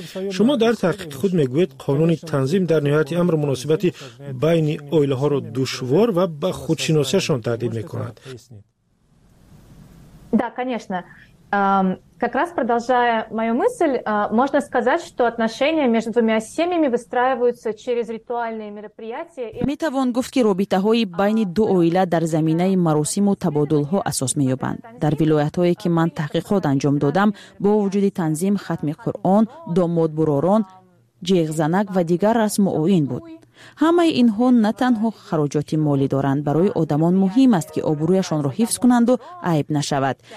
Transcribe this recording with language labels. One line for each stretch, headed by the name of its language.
Persian: شما در تحقیق خود میگوید قانون تنظیم در نهایت امر مناسبت بین اویله ها را دشوار و به خودشناسیشان تهدید میکند.
Russian: Да, конечно. Как раз продолжая мою мысль, можно сказать, что отношения между двумя семьями выстраиваются через ритуальные мероприятия.
Tajik: Метавон
Persian: گفت که رابطه های بین دو آیله در زمینه مراسم و تبادل ها اساس می یابند. در ولایت هایی که من تحقیقات انجام دادم، با وجود تنظیم ختم قرآن، داماد بروران، جیغ زنک و دیگر رسم و آیین بود. همه اینها نه تنها خراجات مالی دارند، برای آدمان مهم است که آبرویشان را حفظ کنند و عیب نشود.